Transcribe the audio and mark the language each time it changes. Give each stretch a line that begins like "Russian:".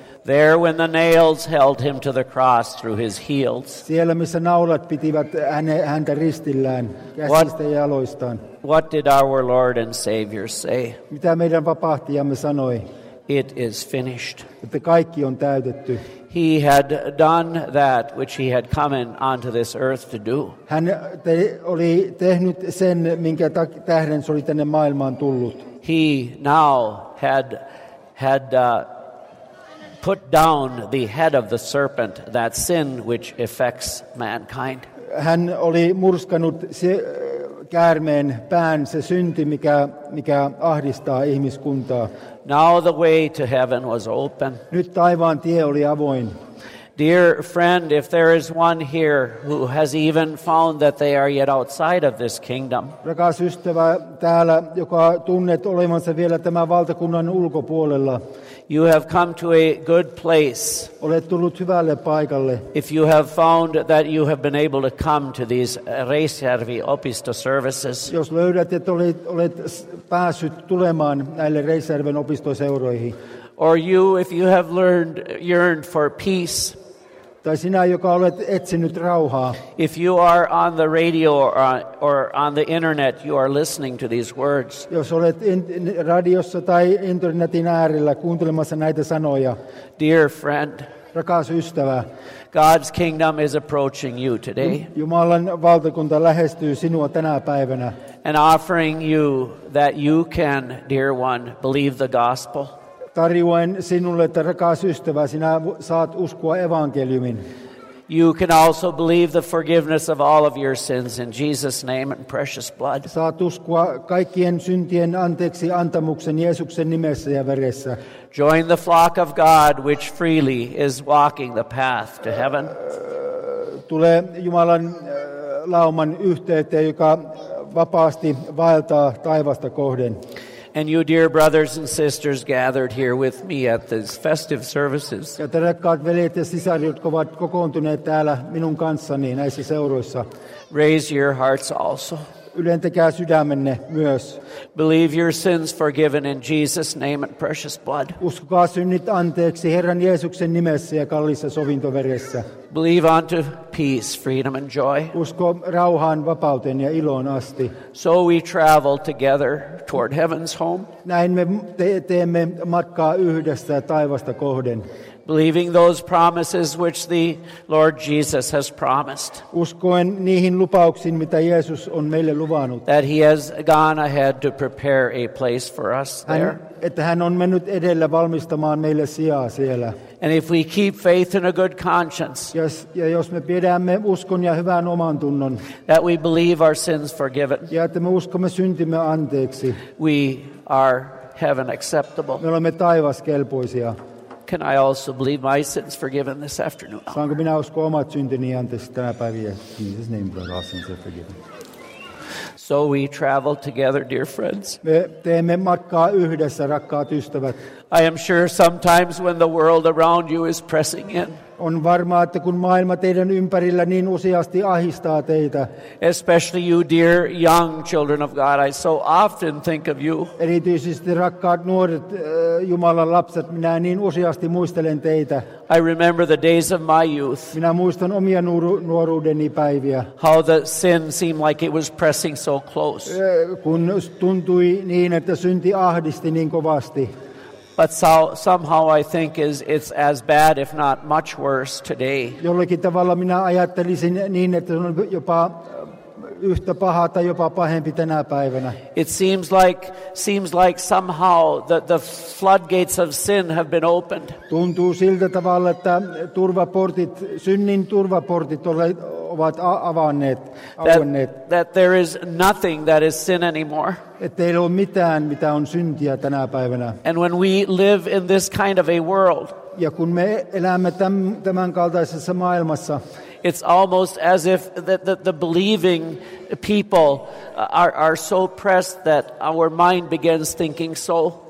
English: There when the nails held him to the cross through his heels.
Finnish: Siellä missä naulat pitivät häntä ristillään käsistä ja jaloistaan.
English: What did our Lord and Savior say?
Finnish: Mitä meidän vapahtajamme sanoi?
English: It is finished.
Finnish: Että kaikki on täytetty.
English: He had done that which he had come onto this earth to do.
Finnish: Hän oli tehnyt sen, minkä tähden se oli tänne maailmaan tullut.
English: He now had put down the head of the serpent, that sin which affects mankind.
Finnish: Hän oli murskanut se käärmeen pään, se synti, mikä ahdistaa ihmiskuntaa.
English: Now the way to heaven was open.
Finnish: Nyt taivaan tie oli avoin.
English: Dear friend, if there is one here who has even found that they are yet outside of this kingdom.
Finnish: Rakas ystävä täällä, joka tunnet olevansa vielä tämän valtakunnan ulkopuolella.
English: You have come to a good place.
Finnish: Olet tullut hyvälle paikalle.
English: If you have found that you have been able to come to these Reisjärvi opisto services.
Finnish: Jos löydät, että olet päässyt tulemaan näille Reisjärven opistoseuroihin.
English: Or you, if you have yearned for peace.
Finnish: Tai sinä, joka olet etsinyt rauhaa.
English: If you are on the radio or on the internet, you are listening to these words.
Finnish: Jos olet radiossa tai internetin äärellä kuuntelemassa näitä sanoja.
English: Dear friend.
Finnish: Rakas ystävä.
English: God's kingdom is approaching you today.
Finnish: Jumalan valtakunta lähestyy sinua tänä päivänä.
English: And offering you that you can, dear one, believe the gospel.
Finnish: Tarjoan sinulle, että rakas ystävä, sinä saat uskoa evankeliumin.
English: You can also believe the forgiveness of all of your sins in Jesus' name and precious blood.
Finnish: Saat uskoa kaikkien syntien anteeksi antamuksen Jeesuksen nimessä ja veressä.
English: Join the flock of God which freely is walking the path to heaven.
Finnish: Tule Jumalan lauman yhteyteen, joka vapaasti vaeltaa taivasta kohden.
English: And you, dear brothers and sisters, gathered here with me at these festive services.
Finnish: Ja te rakkaat veljet ja sisarit, jotka ovat kokoontuneet täällä minun kanssani näissä seuroissa.
English: Raise your hearts also.
Finnish: Ylentäkää sydämenne myös.
English: Believe your sins forgiven in Jesus' name and precious blood.
Finnish: Uskokaa synnit anteeksi Herran Jeesuksen nimessä ja kallissa sovintoveressä.
English: Believe unto peace, freedom and joy.
Finnish: Usko rauhaan, vapauteen ja iloon asti.
English: So we travel together toward heaven's home.
Finnish: Näin me teemme matkaa yhdessä taivasta kohden.
English: Believing those promises which the Lord Jesus has promised.
Finnish: Uskoen niihin lupauksiin, mitä Jeesus on meille luvannut.
English: That he has gone ahead to prepare a place for us there.
Finnish: Että hän on mennyt edellä valmistamaan meille sijaa siellä.
English: And if we keep faith and a good conscience.
Finnish: Ja jos me pidämme uskon ja hyvän oman tunnon.
English: That we believe our sins forgiven.
Finnish: Ja että me uskomme syntimme anteeksi.
English: We are heaven acceptable.
Finnish: Me olemme taivas kelpoisia.
English: Can I also believe my sins forgiven this afternoon?
Finnish: Saanko minä uskoa omat syntini anteeksi tänä päivänä?
English: Jesus name, brother, all sins are forgiven. So we travel together, dear friends.
Finnish: Me teemme matkaa yhdessä, rakkaat ystävät.
English: I am sure sometimes when the world around you is pressing in.
Finnish: On varmaa, että kun maailma teidän ympärillä niin useasti ahdistaa teitä.
English: Especially you, dear young children of God, I so often think of you.
Finnish: Erityisesti rakkaat nuoret Jumalan lapset, minä niin useasti muistelen teitä.
English: I remember the days of my youth.
Finnish: Minä muistan omia nuoruudeni päiviä.
English: How the sin seemed like it was pressing so close.
Finnish: Kun tuntui niin, että synti ahdisti niin kovasti.
English: But so, somehow I think it's as bad, if not much worse, today.
Finnish: Jollakin tavalla minä ajattelisin niin, että se on jopa yhtä paha tai jopa pahempi tänä päivänä.
English: It seems like somehow that the floodgates of sin have been opened.
Finnish: Tuntuu siltä tavalla, että turvaportit, synnin turvaportit ovat avanneet.
English: That there is nothing that is sin anymore.
Finnish: Että ei ole mitään, mitä on syntiä tänä päivänä.
English: And when we live in this kind of a world.
Finnish: Ja kun me elämme tämän kaltaisessa maailmassa.
English: It's almost as if the believing people are so pressed that our mind begins thinking so.